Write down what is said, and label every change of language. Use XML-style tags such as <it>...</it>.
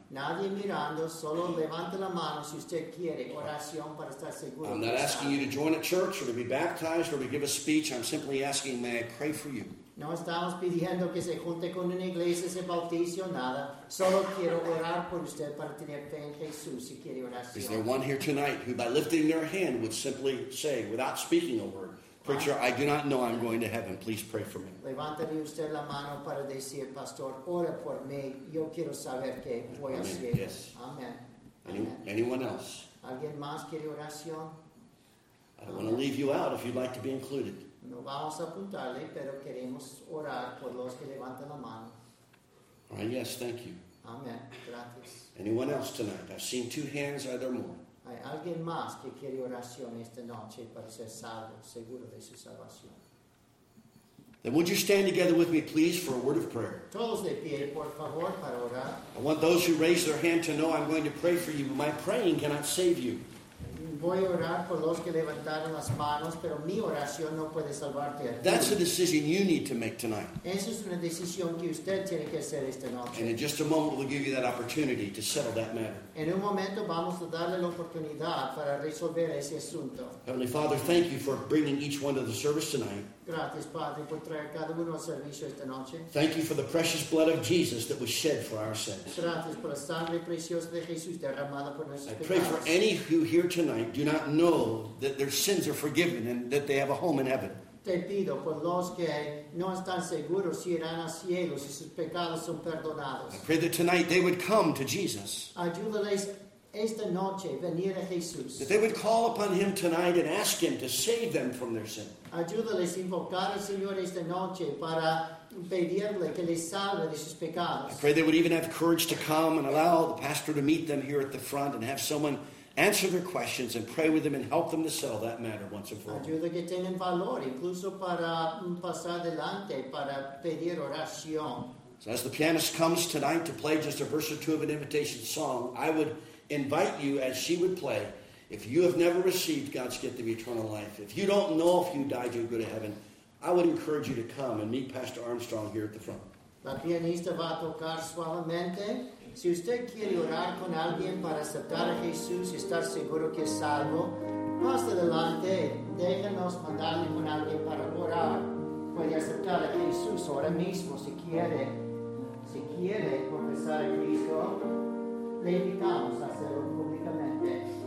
<es>Nadie mirando, solo levante la mano si usted quiere oración para estar seguro.</es> <en>I'm not asking you to join a church or to be baptized or to give a speech. I'm simply asking, may I pray for you?</en> <es>No estamos pidiendo que se junte con una iglesia, se bautice o nada. Solo quiero orar por usted para tener fe en Jesús si quiere oración.</es> <en>Is there one here tonight who by lifting their hand would simply say, without speaking a word, "Preacher, I do not know I'm going to heaven. Please pray for me"?</en> <es>Levántale usted la mano para decir, "Pastor, ora por mí. Yo quiero saber que voy al cielo."</es> <en>Yes. Amen. Anyone else?</en> <es>¿Alguien más quiere oración?</es> <en>I don't want to leave you out if you'd like to be included.</en> <es>No vamos a apuntarle, pero queremos orar por los que levantan la mano.</es> <en>All right, yes, thank you.</en> <es>Amen. Gracias.</es> <en>Anyone else tonight? I've seen two hands, are there more?</en> <es>¿Hay alguien más que quiere oración esta noche para ser salvo, seguro de su salvación?</es> <en>Then would you stand together with me, please, for a word of prayer?</en> <es>Todos de pie, por favor, para orar.</es> <en>I want those who raise their hand to know I'm going to pray for you. My praying cannot save you.</en> <es>Voy a orar por los que levantaron las manos, pero mi oración no puede salvarte a ti.</es> <en>That's a decision you need to make tonight.</en> <es>Esa es una decisión que usted tiene que hacer esta noche.</es> <en>And in just a moment, we'll give you that opportunity to settle that matter.</en> <es>En un momento vamos a darle la oportunidad para resolver ese asunto.</es> <en>Heavenly Father, thank you for bringing each one to the service tonight.</en> <es>Gracias, Padre, por traer cada uno al servicio esta noche.</es> <en>Thank you for the precious blood of Jesus that was shed for our sins.</en> <es>Gracias por la sangre preciosa de Jesús derramada por nuestros pecados.</es> <en>I pray for any who here tonight do not know that their sins are forgiven and that they have a home in heaven.</en> <es>Te pido por los que no están seguros si irán al cielo si sus pecados son perdonados.</es> <en>I pray that tonight they would come to Jesus.</en> <es>Ayúdales esta noche venir a Jesús.</es> <en>That they would call upon him tonight and ask him to save them from their sin.</en> <es>Ayúdales a invocar al Señor esta noche para pedirle que les salve de sus pecados.</es> <en>I pray they would even have courage to come and allow the pastor to meet them here at the front and have someone answer their questions and pray with them and help them to settle that matter once and for all.</en> <es>Ayuda que tengan valor, incluso para pasar adelante, para pedir oración.</es> <en>So as the pianist comes tonight to play just a verse or two of an invitation song, I would invite you, as she would play, if you have never received God's gift of eternal life, if you don't know if you died, you'll go to heaven, I would encourage you to come and meet Pastor Armstrong here at the front.</en> <es>La pianista va a tocar suavemente. Si usted quiere orar con alguien para aceptar a Jesús y estar seguro que es salvo, más adelante, déjenos mandarle con alguien para orar. Puede aceptar a Jesús ahora mismo si quiere. Si quiere confesar a Cristo, le invitamos a hacerlo públicamente.</es>